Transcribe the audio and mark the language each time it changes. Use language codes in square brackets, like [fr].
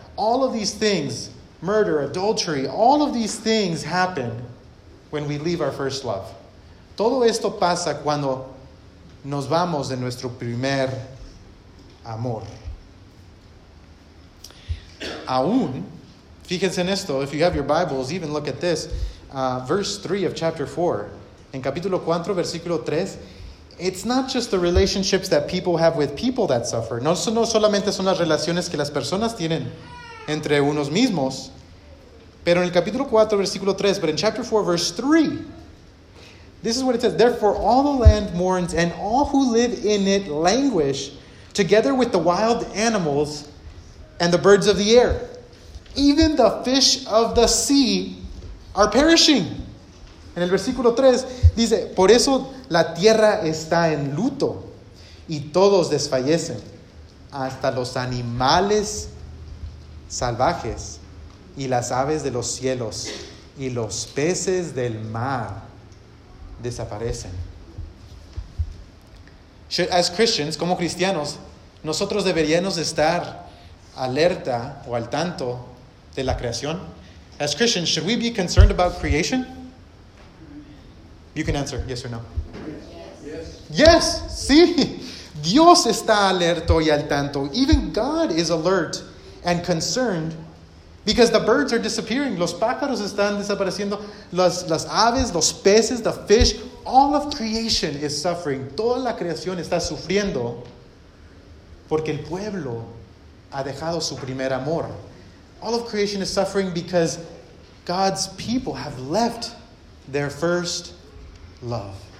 [en] All of these things, murder, adultery, all of these things happen when we leave our first love. [es] Todo esto pasa cuando nos vamos de nuestro primer amor. Aún, fíjense en esto, [en] if you have your Bibles, even look at this. Verse 3 of chapter 4, [es] en capítulo 4, versículo 3, [en] it's not just the relationships that people have with people that suffer. [es] No solamente son las relaciones que las personas tienen entre unos mismos. Pero en el capítulo 4, versículo 3, [en] but in chapter 4, verse 3, this is what it says. Therefore, all the land mourns and all who live in it languish together with the wild animals and the birds of the air. Even the fish of the sea are perishing. [es] En el versículo 3 dice, por eso la tierra está en luto y todos desfallecen, hasta los animales salvajes y las aves de los cielos y los peces del mar desaparecen. [en] As Christians, [es] como cristianos, nosotros deberíamos estar alerta o al tanto de la creación. [en] As Christians, should we be concerned about creation? You can answer, yes or no. Yes. [es] Yes. Sí. Dios está alerto y al tanto. [en] Even God is alert and concerned because the birds are disappearing. [es] Los pájaros están desapareciendo. Las aves, los peces, the fish. [en] All of creation is suffering. [es] Toda la creación está sufriendo porque el pueblo ha dejado su primer amor. [en] All of creation is suffering because God's people have left their first love.